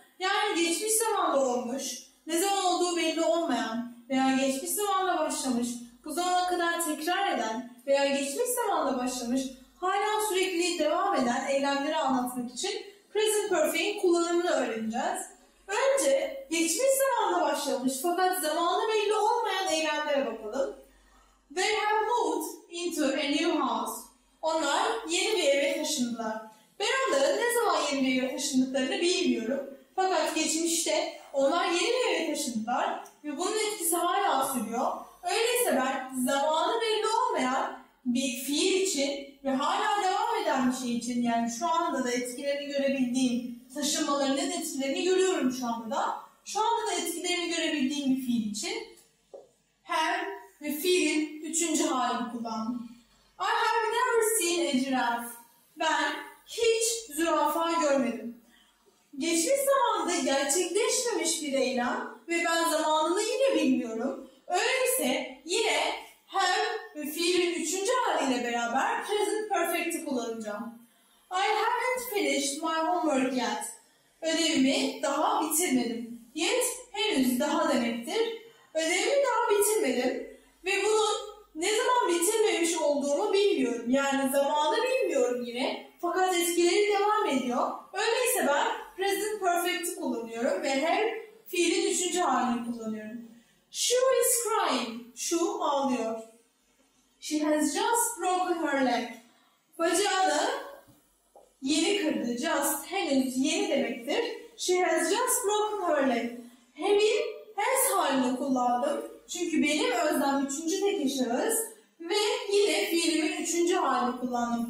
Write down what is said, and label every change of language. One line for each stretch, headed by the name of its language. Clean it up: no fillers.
Turkish: Yani geçmiş zamanda olmuş, ne zaman olduğu belli olmayan veya geçmiş zamanda başlamış, bu zamana kadar tekrar eden veya geçmiş zamanda başlamış, hala sürekli devam eden eylemleri anlatmak için present perfect'in kullanımını öğreneceğiz. Önce geçmiş zamanda başlamış fakat zamanı belli olmayan eylemlere bakalım.
English: They have moved into a new house.
Turkish: Onlar yeni bir eve taşındılar. Ben onların ne zaman yeni bir eve taşındıklarını bilmiyorum. Fakat geçmişte onlar yeni bir eve taşındılar ve bunun etkisi hala sürüyor. Öyleyse ben zamanı belli olmayan bir fiil için ve hala devam eden bir şey için, yani şu anda da etkilerini görebildiğim, taşınmalarının etkilerini görüyorum şu anda da. Şu anda da etkilerini görebildiğim bir fiil için have ve fiilin üçüncü halini kullandım.
English: I have never seen a giraffe.
Turkish: Ben hiç zürafa görmedim. Geçmiş zamanda gerçekleşmemiş bir eylem ve ben zamanını yine bilmiyorum. Öyleyse yine have ve fiilin üçüncü haliyle beraber present perfect'i kullanacağım.
English: I haven't finished my homework yet.
Turkish: Ödevimi daha bitirmedim. Yet henüz daha demektir. Ödevimi daha bitirmedim ve bunun ne zaman bitirmemiş olduğumu bilmiyorum. Yani zamanı bilmiyorum yine. Fakat etkileri devam ediyor. Öyleyse ben present perfect'i kullanıyorum ve her fiilin üçüncü halini kullanıyorum.
English: She is crying.
Turkish: Şu ağlıyor.
English: She has just broken her leg.
Turkish: Bacağını yeni kırdı. Just henüz yeni demektir.
English: She has just broken her leg.
Turkish: Have'in has halini kullandım. Çünkü benim özlem üçüncü tek şahıs. Ve yine fiilimin üçüncü halini kullandım.